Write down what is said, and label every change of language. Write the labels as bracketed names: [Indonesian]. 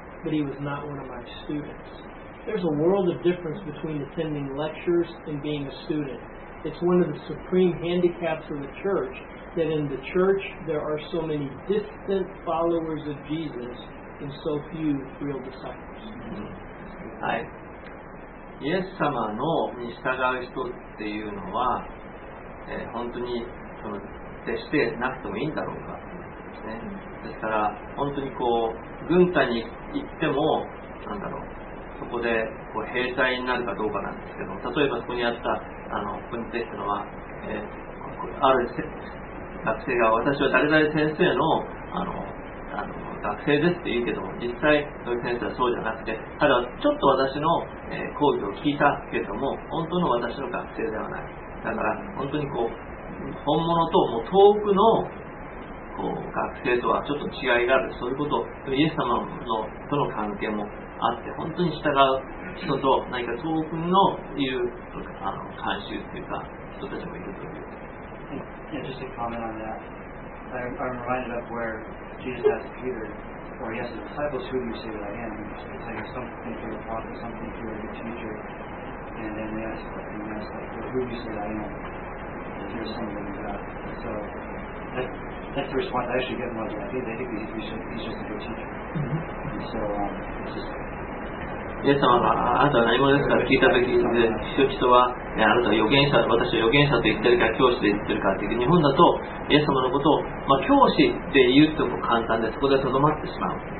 [English] But he was not one of my students. There's a world of difference between attending lectures and being a student. It's one of the supreme handicaps of the church that in the church there are so many distant followers of Jesus and so few real disciples. [Japanese] はい。イエス様のに従う人っていうのは、本当にその弟子でなくてもいいんだろうか。ね、ですから本当にこう軍隊に行っても、なんだろう、そこでこう兵隊になるかどうかなんですけど、例えばそこにあった、ここに出てたのは、ある学生が、私は誰々先生 の, あ の, あの学生ですって言うけども、実際土井先生はそうじゃなくて、ただちょっと私の講義を聞いたけども、本当の私の学生ではない。だから本当にこう本物ともう遠くのこう学生とはちょっと違いがある。そういうことをイエス様のとの関係もあって、本当に従う人と何か遠くのいる慣習というか人たちもいるという。 [English] Interesting comment on that. I'm reminded of where Jesus asked Peter, or he asked the disciples, who do you say that I am? He said, some think you're a prophet, some think you're a good teacher. And then they asked, well, who do you say that I am? And here's something like that. So that's the response I actually get most. I think he's just a good teacher. And so it's just... [Japanese] イエス様があなたは何者ですかと聞いたとき、人は、ね、あなたは預言者、私は預言者と言ってるか教師で言ってるかという、日本だとイエス様のことを、まあ、教師で言うとも簡単で、そこでとどまってしまう。